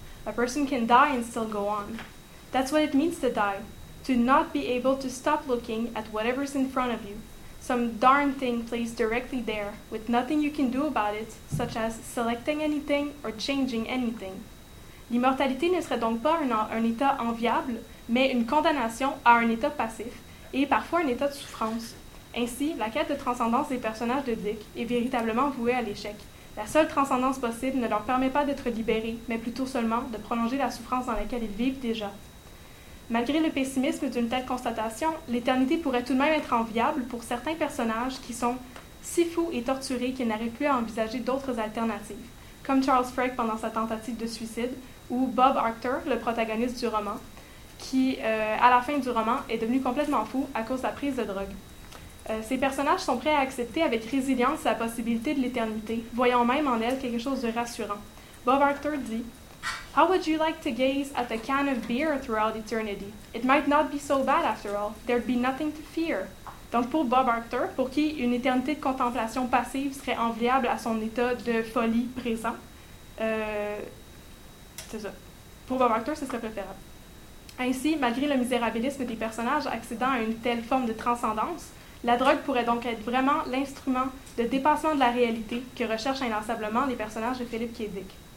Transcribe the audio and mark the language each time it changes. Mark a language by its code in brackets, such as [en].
[en] A person can die and still go on. That's what it means to die. To not be able to stop looking at whatever's in front of you. Some darn thing placed directly there, with nothing you can do about it, such as selecting anything or changing anything. [fr] L'immortalité ne serait donc pas un état enviable, mais une condamnation à un état passif et parfois un état de souffrance. Ainsi, la quête de transcendance des personnages de Dick est véritablement vouée à l'échec. La seule transcendance possible ne leur permet pas d'être libérés, mais plutôt seulement de prolonger la souffrance dans laquelle ils vivent déjà. Malgré le pessimisme d'une telle constatation, l'éternité pourrait tout de même être enviable pour certains personnages qui sont si fous et torturés qu'ils n'arrivent plus à envisager d'autres alternatives, comme Charles Freck pendant sa tentative de suicide, ou Bob Arctor, le protagoniste du roman, qui, à la fin du roman, est devenu complètement fou à cause de la prise de drogue. Ces personnages sont prêts à accepter avec résilience la possibilité de l'éternité, voyant même en elle quelque chose de rassurant. [en] Bob Arctor dit, « How would you like to gaze at a can of beer throughout eternity? It might not be so bad after all. There'd be nothing to fear. [fr] » Donc pour Bob Arctor, pour qui une éternité de contemplation passive serait enviable à son état de folie présent, c'est ça. Pour Bob Arctor, ce serait préférable. Ainsi, malgré le misérabilisme des personnages accédant à une telle forme de transcendance, la drogue pourrait donc être vraiment l'instrument de dépassement de la réalité que recherchent inlassablement les personnages de Philip K. Dick.